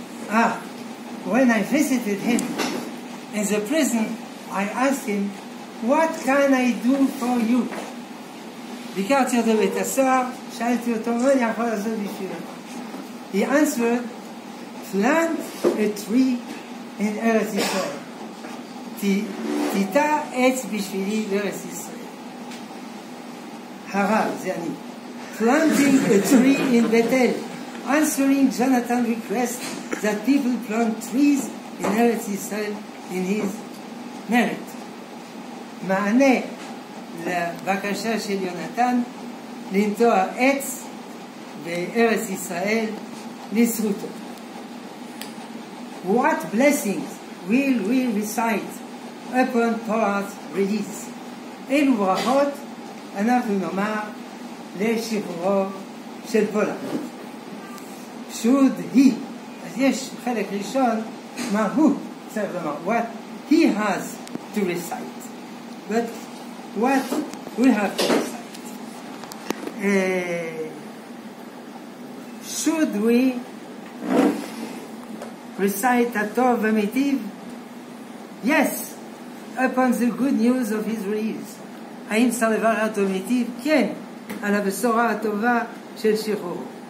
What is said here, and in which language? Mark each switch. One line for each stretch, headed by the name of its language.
English: When I visited him in the prison, I asked him, what can I do for you?
Hebrew: ביקרתי אותו בבית הסוהר, שאלתי אותו, מה אני יכול לעשות בשבילו?
English: He answered, plant a tree in ארץ ישראל.
Hebrew: תיטע עץ בשבילי בארץ ישראל. הרב, זה אני.
English: Planting a tree in Bethel. Answering Jonathan's request that people plant trees in Eretz Yisrael in his merit.
Hebrew: מענה לבקשה של יונתן לנטוע עץ בארץ ישראל לזכותו.
English: What blessings will we recite upon Pollard's release?
Hebrew: אילו ברכות אנחנו נאמר לשחרורו של פולארד.
English: Should he,
Hebrew: אז יש חלק ראשון, מה הוא צריך לומר,
English: what he has to recite, but what we have to recite. Should we recite Hatov V'Mitiv? Yes, upon the good news of his release.
Hebrew: Haim Salevar Hatov V'Mitiv? כן, על הבשורה הטובה של שחרור.